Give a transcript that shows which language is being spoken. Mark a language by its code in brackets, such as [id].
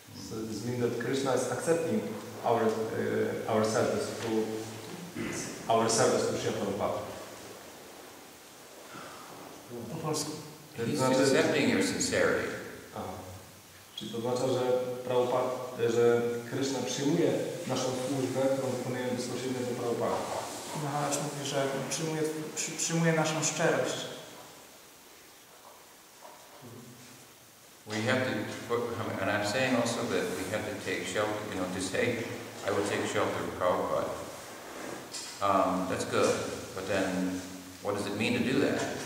[en] So this means that Krishna is accepting our service to Srila Prabhupada. [pl] Po polsku. [en] He's accepting your sincerity. [pl] Czyli to oznacza, że Prabhupada, że Krishna przyjmuje naszą służbę, którą wykonujemy bezpośrednio do Prabhupada. Maharaj mówi, że przyjmuje naszą szczerość. [en] We have to, and I'm saying also that we have to take shelter, you know, to say, I will take shelter of Prabhupada. That's good, but then what does it mean to do that?